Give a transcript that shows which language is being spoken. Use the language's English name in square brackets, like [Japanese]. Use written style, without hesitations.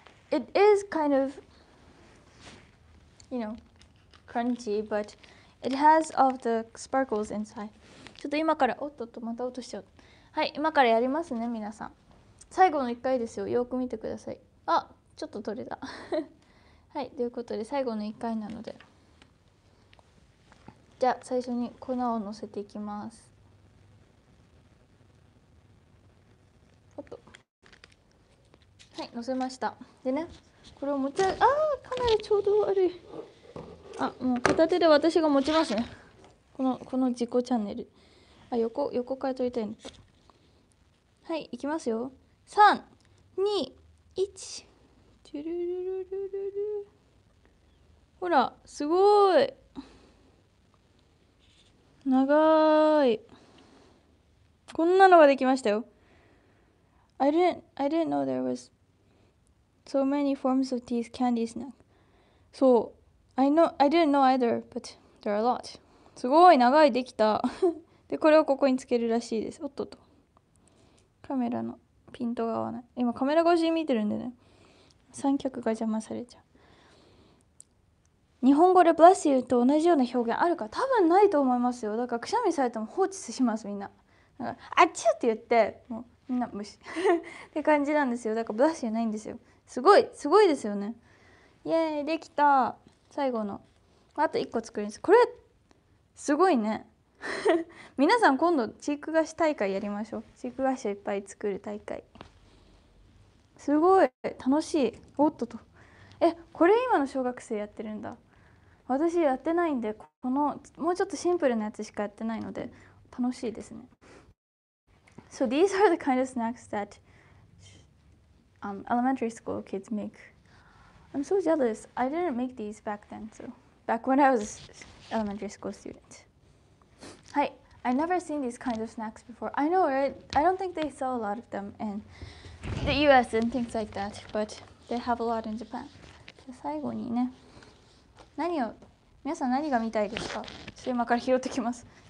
[English] it is kind of, you know, crunchy, but it has all the sparkles inside. [Japanese] ちょっと今から、おっとっと、また落としちゃう。はい、今からやりますね、皆さん。最後の1回ですよ。よく見てください。あ、ちょっと取れた。はい、ということで、最後の1回なので。じゃあ、最初に粉を乗せていきます。はい、乗せました。でね、これを持ち上げ、あー、かなりちょうど悪い。あ、もう片手で私が持ちますね。この自己チャンネル、あ、横から撮りたいの。はい、いきますよ。3、2、1、チュルルルルルル。ほら、すごい長い。こんなのができましたよ。 [English] I didn't know there was so many forms of these candy snacks. So, I didn't know either, but there are a lot. [Japanese] すごい長い、できた。で、これをここにつけるらしいです。おっとっと。カメラのピントが合わない。今カメラ越しに見てるんでね。三脚が邪魔されちゃう。日本語で [English] bless you [Japanese] と同じような表現あるか、多分ないと思いますよ。だからくしゃみされても放置します、みんな。だからあっちゅって言って、もう。みんな無視って感じなんですよ。だからブラッシュないんですよ。すごいすごいですよね。イエーイ、できた。最後のあと1個作ります。これすごいね。皆さん今度チーク菓子大会やりましょう。チーク菓子をいっぱい作る大会、すごい楽しい。おっとと、え、これ今の小学生やってるんだ。私やってないんで、このもうちょっとシンプルなやつしかやってないので楽しいですね。 [English] So these are the kind of snacks that elementary school kids make. I'm so jealous. I didn't make these back then. So back when I was elementary school student. Hi, I never seen these kinds of snacks before. I know, right? I don't think they sell a lot of them in the U.S. and things like that. But they have a lot in Japan. [Japanese] 最後にね、何を、皆さん何が見たいですか？ちょっと今から拾ってきます。